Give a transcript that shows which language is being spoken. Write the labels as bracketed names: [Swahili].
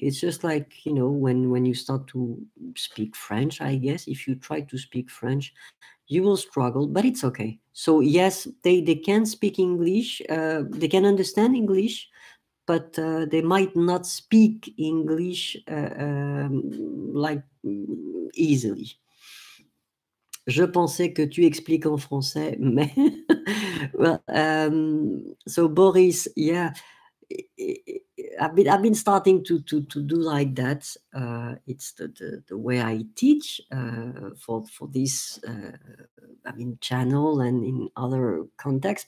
[English] It's just like, you know, when you start to speak French, I guess, if you try to speak French, you will struggle, but it's okay. So yes, they can speak English. They can understand English, but they might not speak English like easily. [French] Je pensais que tu expliques en français, mais... [English] Well, so Boris, yeah, I've been starting to do like that. It's the way I teach for this channel and in other contexts.